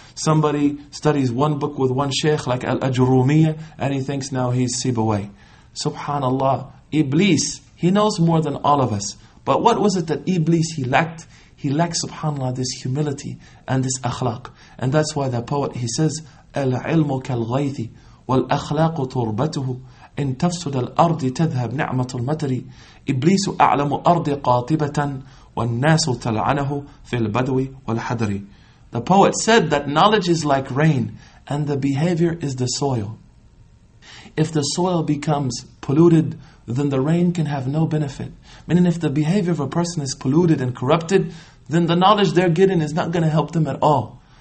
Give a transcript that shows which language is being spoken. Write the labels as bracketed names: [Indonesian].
[English] Somebody studies one book with one sheikh, like Al-Ajurumiyyah, and he thinks now he's Sibawai. SubhanAllah, Iblis, he knows more than all of us. But what was it that Iblis he lacked? He lacked, subhanAllah, this humility and this akhlaq. And that's why the poet, he says, [Arabic] Al-ilmu kal-ghaythi wal-akhlaqu turbatuhu. إن تفسد الأرض تذهب نعمة المتري إبليس أعلم أرض قاطبة والناس تلعنه في البدو والحدري. [English] The poet said that knowledge is like rain and the behavior is the soil. If the soil becomes polluted, then the rain can have no benefit. Meaning if the behavior of a person is polluted and corrupted, then the knowledge they're getting is not going to help them at all.